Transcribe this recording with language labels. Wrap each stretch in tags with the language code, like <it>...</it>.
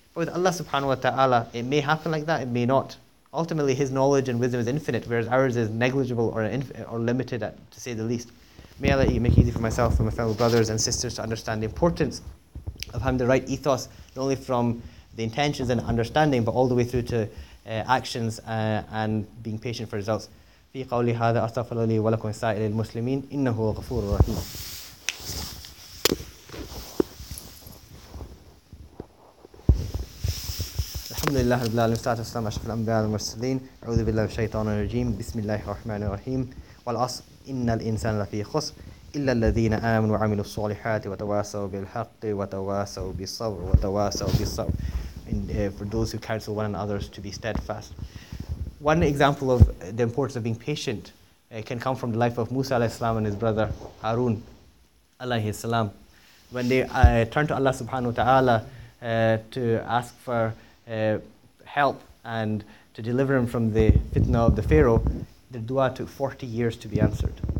<en>But with Allah subhanahu wa ta'ala, it may happen like that, it may not. Ultimately, his knowledge and wisdom is infinite, whereas ours is negligible or limited, to say the least. May Allah make it easy for myself and my fellow brothers and sisters to understand the importance of having the right ethos, not only from the intentions and understanding, but all the way through to actions and being patient for results.</en> <ar>في قولي هذا أستغفر لي ولكم سائر المسلمين إنه غفور رحيم. الحمد لله رب العالمين والصلاة والسلام على أشرف الأنبياء والمرسلين أعوذ بالله من الشيطان الرجيم بسم الله الرحمن الرحيم والعصر إن الإنسان لفي خسر إلا الذين آمنوا وعملوا الصالحات وتواصوا بالحق وتواصوا بالصبر وتواصوا بالصبر.</ar> <en>And for those who counsel one another to be steadfast. One example of the importance of being patient can come from the life of Musa alayhi salam and his brother Harun alayhi salam. When they turned to Allah subhanahu wa ta'ala to ask for help and to deliver him from the fitna of the Pharaoh, the dua took 40 years to be answered.</en>